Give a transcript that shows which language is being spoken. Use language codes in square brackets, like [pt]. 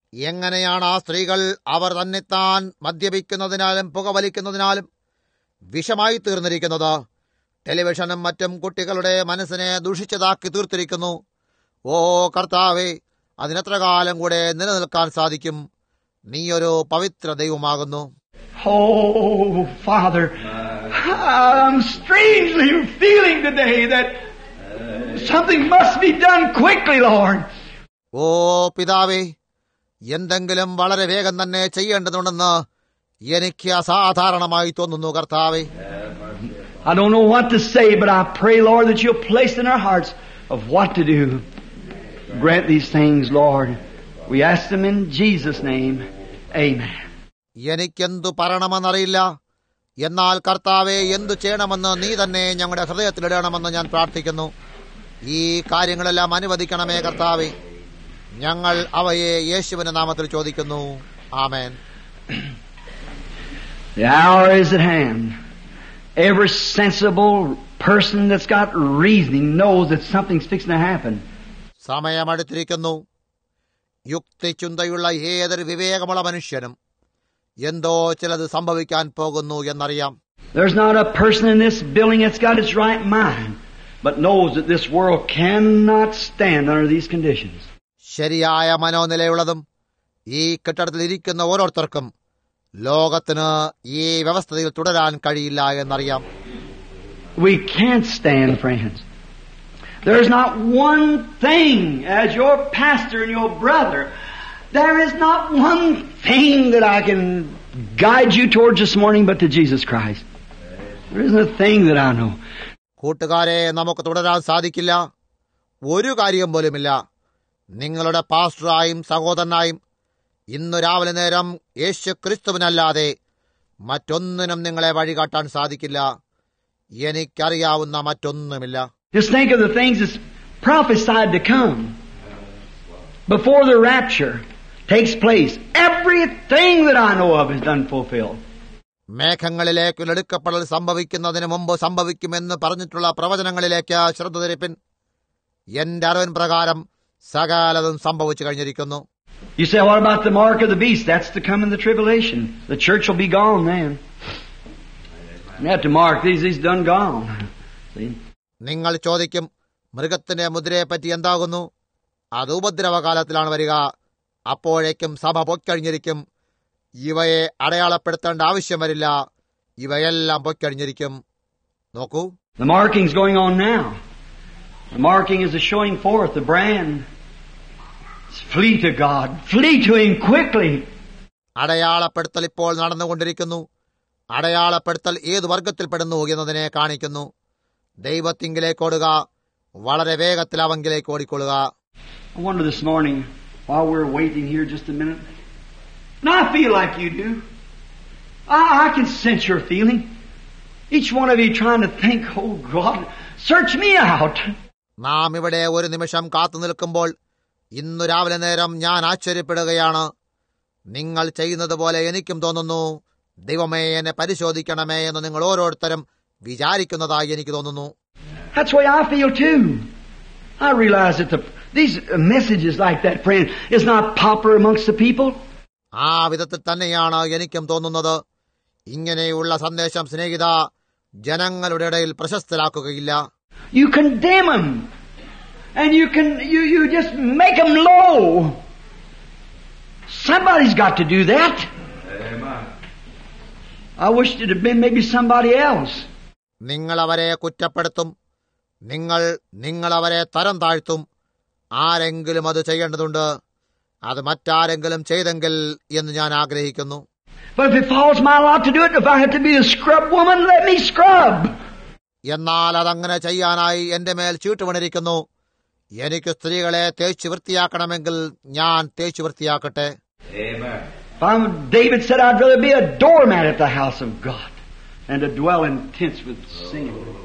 [ml] എങ്ങനെയാണ് ആ സ്ത്രീകൾ അവർ തന്നെത്താൻ മദ്യപിക്കുന്നതിനാലും പുകവലിക്കുന്നതിനാലും വിഷമായി തീർന്നിരിക്കുന്നത്? ടെലിവിഷനും മറ്റും കുട്ടികളുടെ മനസ്സിനെ ദുഷിച്ചതാക്കി തീർത്തിരിക്കുന്നു. ഓ കർത്താവേ, അതിനെത്ര കാലം കൂടെ നിലനിൽക്കാൻ സാധിക്കും? നീയൊരു പവിത്ര ദൈവമാകുന്നു. [en] Oh father, I'm strangely feeling today that something must be done quickly, Lord. [ml] ഓ പിതാവേ, എന്തെങ്കിലും വളരെ വേഗം തന്നെ ചെയ്യേണ്ടതുണ്ടെന്ന് എനിക്ക് അസാധാരണമായി തോന്നുന്നു കർത്താവേ. [en] I don't know what to say, but I pray, Lord, that you'll place in our hearts of what to do. Grant these things, Lord. We ask them in Jesus' name. Amen. [ml] എനിക്കെന്തു പറയണമെന്നറിയില്ല. എന്നാൽ കർത്താവേ, എന്തു ചെയ്യണമെന്ന് നീ തന്നെ ഞങ്ങളുടെ ഹൃദയത്തിലിടണമെന്ന് ഞാൻ പ്രാർത്ഥിക്കുന്നു. ഈ കാര്യങ്ങളെല്ലാം അനുവദിക്കണമേ കർത്താവേ. ഞങ്ങൾ അവയെ യേശുവിന്റെ നാമത്തിൽ ചോദിക്കുന്നു. ആമേൻ. [en] The hour is at hand. Every sensible person that's got reasoning knows that something's fixing to happen. [ml] സമയം അടുത്തിരിക്കുന്നു. യുക്തിചിന്തയുള്ള ഏതൊരു വിവേകമുള്ള മനുഷ്യനും എന്തോ ചിലത് സംഭവിക്കാൻ പോകുന്നു എന്നറിയാം. [en] There's not a person in this building that's got its right mind but knows that this world cannot stand under these conditions. [ml] ശരിയായ മനോനിലയുള്ളതും ഈ കെട്ടിടത്തിൽ ഇരിക്കുന്ന ഓരോരുത്തർക്കും ലോകത്തിന് ഈ വ്യവസ്ഥയിൽ തുടരാൻ കഴിയില്ല എന്നറിയാം. [en] We can't stand, friends. There's not one thing as your pastor and your brother, there is not one thing that I can guide you towards this morning but to Jesus Christ. There isn't a thing that I know. [ml] കൂട്ടുകാരെ, നമുക്ക് തുടരാൻ സാധിക്കില്ല. ഒരു കാര്യം പോലുമില്ല. നിങ്ങളുടെ പാസ്റ്ററായും സഹോദരനായും ഇന്ന് രാവിലെ നേരം യേശു ക്രിസ്തുവിനല്ലാതെ മറ്റൊന്നിനും നിങ്ങളെ വഴികാട്ടാൻ സാധിക്കില്ല. എനിക്കറിയാവുന്ന മറ്റൊന്നുമില്ല. [en] Just think of the things that's prophesied to come before the rapture takes place. Everything that I know of is done fulfilled. [ml] മേഘങ്ങളിലേക്ക് ലടുക്കപ്പെടൽ സംഭവിക്കുന്നതിന് മുമ്പ് സംഭവിക്കുമെന്ന് പറഞ്ഞിട്ടുള്ള പ്രവചനങ്ങളിലേക്ക് ശ്രദ്ധ തിരിപ്പിൻ. എന്റെ അറിവൻ പ്രകാരം സകാലതും സംഭവിച്ചു കഴിഞ്ഞിരിക്കുന്നു. [en] You say, what about the mark of the beast? That's to come in the tribulation. The church will be gone then. You have to mark these done gone. See? [ml] നിങ്ങൾ ചോദിക്കും, മൃഗത്തിന്റെ മുദ്രയെ പറ്റി എന്താകുന്നു? അത് ഉപദ്രവകാലത്തിലാണ് വരിക. അപ്പോഴേക്കും സഭ പൊയ്ക്കഴിഞ്ഞിരിക്കും. ഇവയെ അടയാളപ്പെടുത്തേണ്ട ആവശ്യം വരില്ല. ഇവയെല്ലാം പൊയ്ക്കഴിഞ്ഞിരിക്കും. നോക്കൂ, [en] the marking is going on now. The marking is the showing forth, the brand. Flee to God, flee to him quickly. [ml] അടയാളപ്പെടുത്തൽ ഇപ്പോൾ നടന്നുകൊണ്ടിരിക്കുന്നു. അടയാളപ്പെടുത്തൽ ഏത് വർഗത്തിൽ പെടുന്നു എന്നതിനെ കാണിക്കുന്നു. ദൈവത്തിങ്കിലേക്ക് ഓടുക, വളരെ വേഗത്തിൽ അവങ്കിലേക്ക് ഓടിക്കൊള്ളുക. [en] I wonder this morning, while we're waiting here just a minute, and I feel like you do. I can sense your feeling. Each one of you trying to think, oh God, search me out. [ml] നാം ഇവിടെ ഒരു നിമിഷം കാത്തു നിൽക്കുമ്പോൾ ഇന്നു രാവിലെ നേരം ഞാൻ ആശ്ചര്യപ്പെടുകയാണ്. നിങ്ങൾ ചെയ്യുന്നത് പോലെ എനിക്കും തോന്നുന്നു. ദൈവമേ, എന്നെ പരിശോധിക്കണമേ എന്ന് നിങ്ങൾ ഓരോരുത്തരും വിചാരിക്കുന്നതായി എനിക്ക് തോന്നുന്നു. [en] That's why I feel too. I realize that these messages like that, friend, is not popular amongst the people. [ml] ആ വിധത്തിൽ തന്നെയാണ് എനിക്കും തോന്നുന്നത്. ഇങ്ങനെയുള്ള സന്ദേശം, സ്നേഹിത, ജനങ്ങളുടെ ഇടയിൽ പ്രശസ്തരാക്കുകയില്ല. [en] You condemn them. And you just make them low. Somebody's got to do that. Amen. I wish it had been maybe somebody else. [ml] നിങ്ങൾ അവരെ കുറ്റപ്പെടുത്തും, നിങ്ങൾ അവരെ തരം താഴ്ത്തും. ആരെങ്കിലും അത് ചെയ്യേണ്ടതുണ്ട്. അത് മറ്റാരെങ്കിലും ചെയ്തെങ്കിൽ എന്ന് ഞാൻ ആഗ്രഹിക്കുന്നു. [en] But if it falls my lot to do it, if I had to be a scrub woman, let me scrub. [ml] എന്നാൽ അതങ്ങനെ ചെയ്യാനായി എന്റെ മേൽ ചീട്ട് വന്നിരിക്കുന്നു. എനിക്ക് സ്ത്രീകളെ തേച്ചു വൃത്തിയാക്കണമെങ്കിൽ ഞാൻ തേച്ചു വൃത്തിയാക്കട്ടെ. [en] David said, I'd rather be a doormat at the house of God. And to dwell in tents with singing.